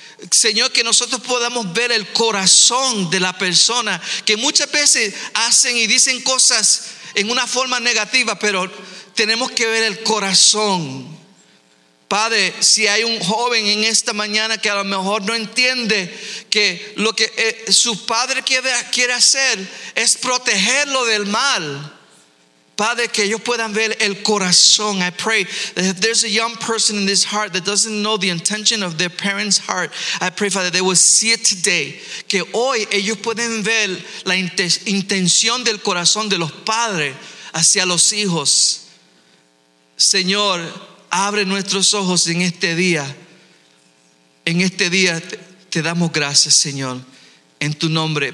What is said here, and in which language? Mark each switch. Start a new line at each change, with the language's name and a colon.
Spanish: Señor, que nosotros podamos ver el corazón de la persona, que muchas veces hacen y dicen cosas en una forma negativa, pero tenemos que ver el corazón. Padre, si hay un joven en esta mañana que a lo mejor no entiende que lo que su padre quiere hacer es protegerlo del mal, Padre, que ellos puedan ver el corazón.
English: I pray that if there's a young person in this heart that doesn't know the intention of their parents' heart, I pray, Father, they will see it today.
Spanish: Que hoy ellos pueden ver la intención del corazón de los padres hacia los hijos. Señor, abre nuestros ojos en este día. En este día te damos gracias, Señor, en tu nombre.